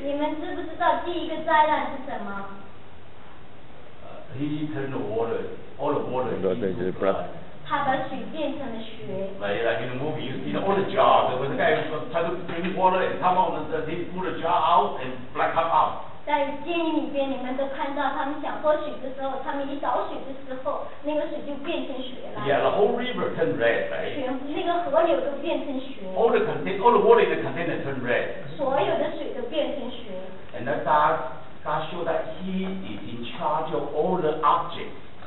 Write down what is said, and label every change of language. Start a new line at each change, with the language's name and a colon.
Chinese: 你们知不知道第一个灾难是什么?
English: He turned the water, all the water into blood.
Chinese: 他把水变成了血。
English: Like in the movie, you see all the jars. When the guy tried to drink water and come out, they pull the jar out and black up out.
Chinese: 在电影里面，你们都看到他们想喝水的时候，他们一倒水的时候，那个水就变成血了。Yeah,
English: the whole river turned red, right?
Chinese: 全那个河流都变成血。
English: All the container, all the water in the container turned red.
Chinese: 所有的水都变成血。
English: And that God showed that He is in charge of all the objects.